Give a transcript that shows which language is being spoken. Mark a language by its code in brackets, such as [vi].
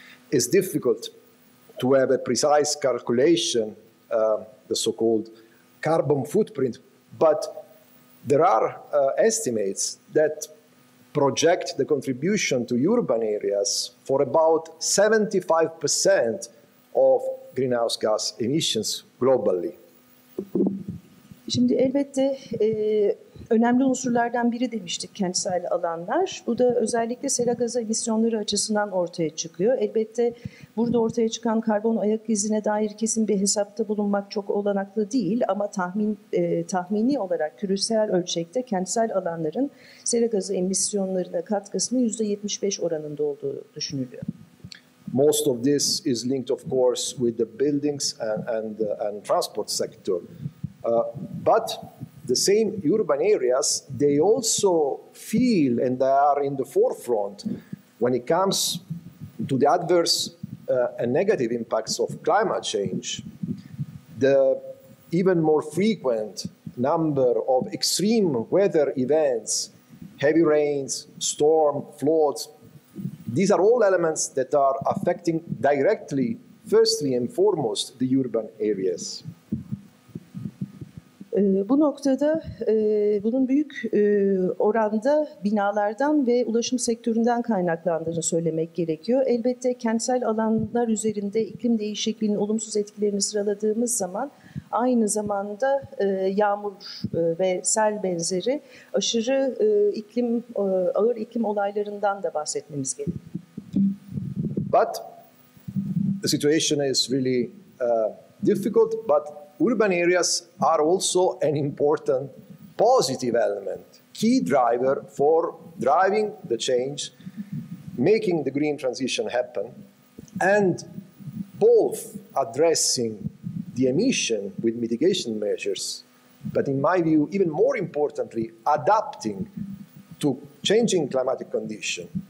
[en] It's difficult to have a precise calculation, the so-called carbon footprint, but there are estimates that project the contribution to urban areas for about 75% of greenhouse gas emissions globally. [tr] Şimdi elbette önemli unsurlardan biri demiştik kentsel alanlar. Bu da özellikle sera gazı emisyonları açısından ortaya çıkıyor. Elbette burada ortaya çıkan karbon ayak izine dair kesin bir hesapta bulunmak çok olanaklı değil. Ama tahmini olarak küresel ölçekte kentsel alanların sera gazı emisyonlarına katkısının %75 oranında olduğu düşünülüyor. [en] Most of this is linked of course with the buildings and transport sector. But the same urban areas, they also feel and they are in the forefront when it comes to the adverse and negative impacts of climate change. The even more frequent number of extreme weather events, heavy rains, storm, floods, these are all elements that are affecting directly, firstly and foremost, the urban areas. [tr] Bu noktada bunun büyük oranda binalardan ve ulaşım sektöründen kaynaklandığını söylemek gerekiyor. Elbette kentsel alanlar üzerinde iklim değişikliğinin olumsuz etkilerini sıraladığımız zaman aynı zamanda yağmur ve sel benzeri aşırı iklim, ağır iklim olaylarından da bahsetmemiz gerekiyor. [en] But the situation is really difficult, but urban areas are also an important positive element, key driver for driving the change, making the green transition happen, and both addressing the emission with mitigation measures, but in my view, even more importantly, adapting to changing climatic condition.